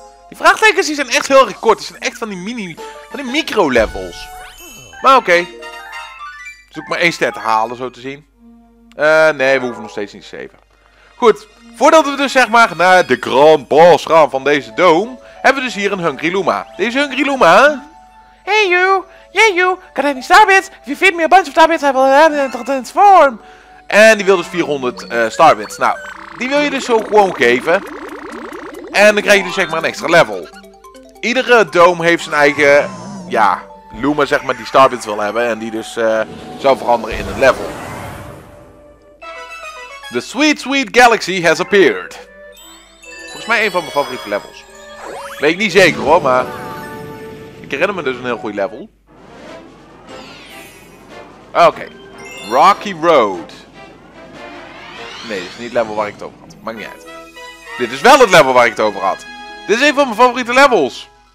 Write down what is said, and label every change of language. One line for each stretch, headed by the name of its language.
Dutch: Die vraagtekens die zijn echt heel erg kort. Die zijn echt van die mini, van die micro levels. Maar oké. Okay. Zoek maar één ster te halen, zo te zien. Nee, we hoeven nog steeds niet te saven. Goed, voordat we dus zeg maar naar de Grand Boss gaan van deze dome, hebben we dus hier een Hungry Luma. Deze Hungry Luma.
English: Hey you, yeah you, can I have any star bits? If you feed me a bunch of star bits, I will have a transform.
Dutch: En die wil dus 400 star bits. Nou, die wil je dus zo gewoon geven. En dan krijg je dus zeg maar een extra level. Iedere dome heeft zijn eigen, ja, Luma zeg maar die star bits wil hebben. En die dus zou veranderen in een level.
English: The sweet, sweet galaxy has appeared.
Dutch: Volgens mij een van mijn favoriete levels. Weet ik niet zeker hoor, maar... Ik herinner me dus een heel goed level. Oké. Okay. Rocky Road. Nee, dit is niet het level waar ik het over had. Maakt niet uit. Dit is wel het level waar ik het over had. Dit is een van mijn favoriete levels.